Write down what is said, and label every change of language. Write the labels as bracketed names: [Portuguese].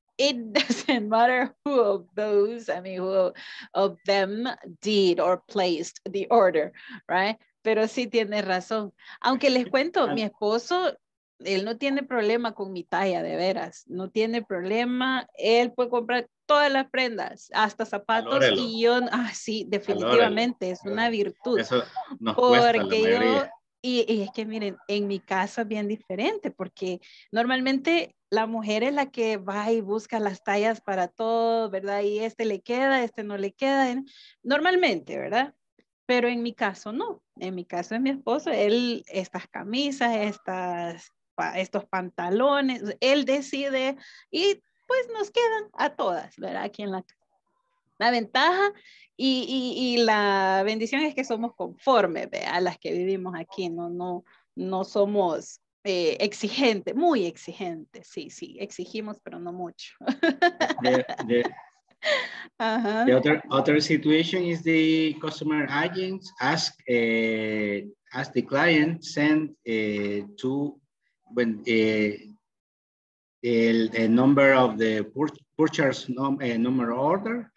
[English] It doesn't matter who of them did or placed the order, right? [Spanish] Pero sí tiene razón. Aunque les cuento, mi esposo, él no tiene problema con mi talla, de veras. No tiene problema. Él puede comprar todas las prendas, hasta zapatos. Y yo, sí, definitivamente, es una virtud. Eso nos porque cuesta la mayoría. Y es que miren, en mi casa es bien diferente, porque normalmente la mujer es la que va y busca las tallas para todo, ¿verdad? Y este le queda, este no le queda, normalmente, ¿verdad? Pero en mi caso no, en mi caso es mi esposo, él, estas camisas, estas estos pantalones, él decide y pues nos quedan a todas, ¿verdad? Aquí en la casa. La ventaja y la bendición es que somos conformes, ¿verdad? A las que vivimos aquí, no somos exigentes, muy exigentes, sí, exigimos, pero no mucho. [English] The other situation is the customer agents ask the client send to when the number of the purchase number order.